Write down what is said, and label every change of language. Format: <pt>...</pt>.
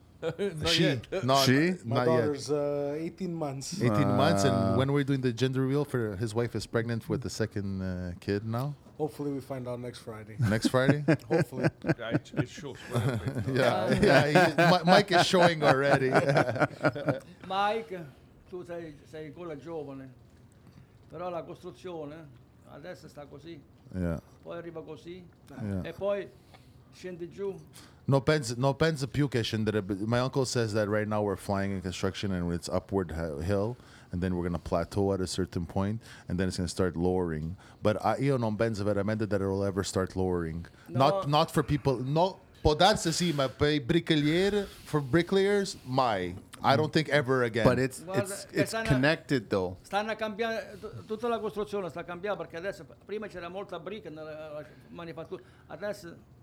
<en>My daughter's 18 months. 18 months, and when we're doing the gender reveal for his wife is pregnant with the second kid now. Hopefully, we find out next Friday. Next Friday, hopefully. Yeah, it shows. Yeah, Mike is showing already. Mike,</en> <it>tu sei, sei ancora giovane, però la costruzione adesso sta così,</it> <en>yeah.</en> <it>Poi arriva così, yeah. E poi scende giù. No pens, no pens più che scendere.</it> <en>My uncle says that right now we're flying in construction and it's upward hill, and then we're gonna plateau at a certain point, and then it's gonna start lowering. But</en> <it>io non penso veramente</it> <en>that it will ever start lowering. No. Not for people.</en> <it>No, potesse sì, ma per bricolieri,</it> <en>for bricklayers,</en> <it>mai.</it> <en>I don't think ever again. But it's stanno, connected though.</en> <it>Stanno cambiando tutta la costruzione, sta cambiando perché adesso prima c'era molta brick nella manifattura, adesso.</it>